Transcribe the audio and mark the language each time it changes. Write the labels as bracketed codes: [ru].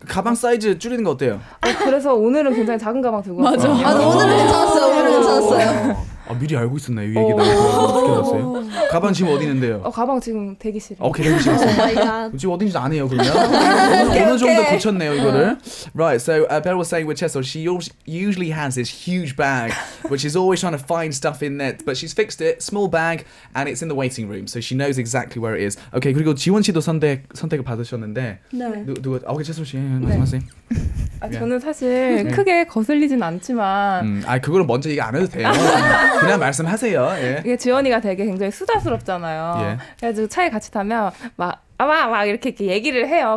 [ko] 가방 사이즈 줄이는 거 어때요? 그래서 오늘은 굉장히 작은 가방 들고 맞아. 아, 오늘은 괜찮았어요. 오늘은 괜찮았어요. 아, 미리 알고 있었나요? 이 얘기 나왔어요. 가방 지금 어디 있는데요? 가방 지금 대기실. 오케이, 대기실 있어요. 지금 어딘지 안 해요, 그러면. 어느 정도 고쳤네요, 이거를. [en] Right, so Belle was saying with Chesso, she usually has this huge bag, which is always trying to find stuff in it, but she's fixed it, small bag, and it's in the waiting room, so she knows exactly where it is. [ko] Okay, 그리고 지원 씨도 선택을 받으셨는데. 네. 누구? 오케이, 채소 씨, 말씀하세요. 아, 저는 사실 크게 거슬리진 않지만 아, 그거는 먼저 얘기 안 해도 돼요. 그냥 말씀하세요. 예. 이게 지원이가 되게 굉장히 수다스럽잖아요. 예. 그래서 차에 같이 타면 막 이렇게 얘기를 해요.